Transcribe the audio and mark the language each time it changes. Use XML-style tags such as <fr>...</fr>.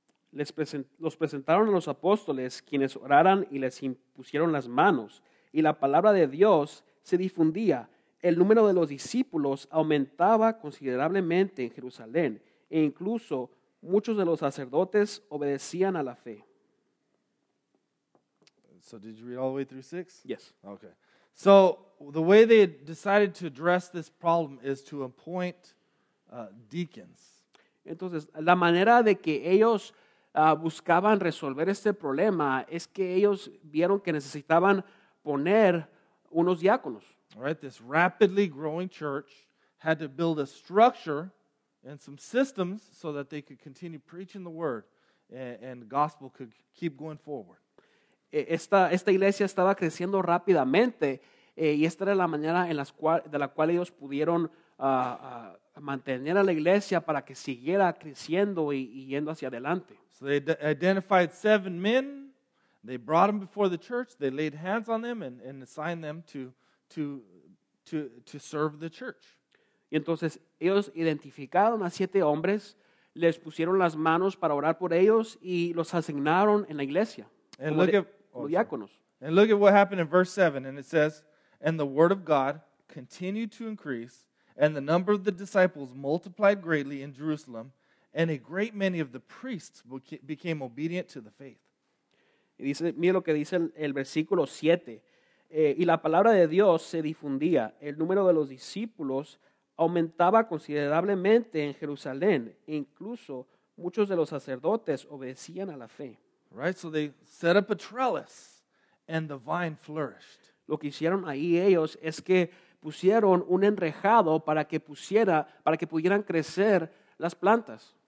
<es>Los presentaron a los apóstoles, quienes oraron y les impusieron las manos. Y la palabra de Dios se difundía. El número de los discípulos aumentaba considerablemente en Jerusalén. E incluso muchos de los sacerdotes obedecían a la fe.</es> <en>So did you read all the way through 6? Yes. Okay. So the way they decided to address this problem is to appoint deacons.</en> <es>Entonces, la manera de que ellos buscaban resolver este problema es que ellos vieron que necesitaban poner unos diáconos.</es> <en>All right, this rapidly growing church had to build a structure and some systems so that they could continue preaching the word and the gospel could keep going forward.</en> <es>Esta iglesia estaba creciendo rápidamente y esta era la manera en las cual, de la cual ellos pudieron mantener a la iglesia para que siguiera creciendo y yendo hacia adelante.</es> <en>So they identified 7 men, they brought them before the church, they laid hands on them and assigned them to serve the church.</en> <es>Y entonces ellos identificaron a 7 hombres, les pusieron las manos para orar por ellos y los asignaron en la iglesia.</es> <en>And look at what happened in verse 7, and it says, "And the word of God continued to increase, and the number of the disciples multiplied greatly in Jerusalem, and a great many of the priests became obedient to the faith."</en> <es>Y dice, mira lo que dice el versículo 7. Y la palabra de Dios se difundía. El número de los discípulos aumentaba considerablemente en Jerusalén. E incluso muchos de los sacerdotes obedecían a la fe.</es> <en>Right, so they set up a trellis, and the vine flourished.</en> <es>Lo que hicieron ahí ellos es que pusieron un enrejado para que pudieran crecer las plantas.</es>